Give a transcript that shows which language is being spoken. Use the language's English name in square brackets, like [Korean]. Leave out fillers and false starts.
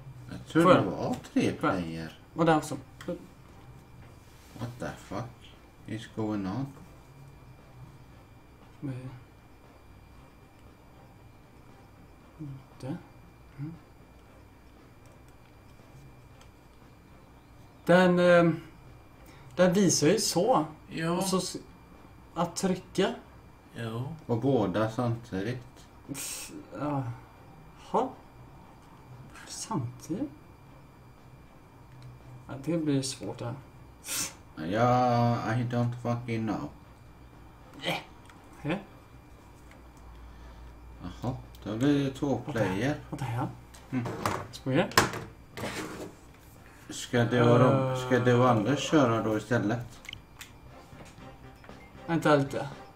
[Swedish] Jag tror det var tre player. Vad är det som? [English] What the fuck is going on? [Swedish] Den visar ju så. Ja. Och så att trycka. Ja. Och båda samtidigt. Ja. Samtidigt? Ja, det blir svårt där. [English] Ja, yeah, I don't fucking know. [Swedish] Nej. Jaha, då blir det två player. Vad är det här? Spoiler. Ska det vara Anders köra då istället? Vänta lite.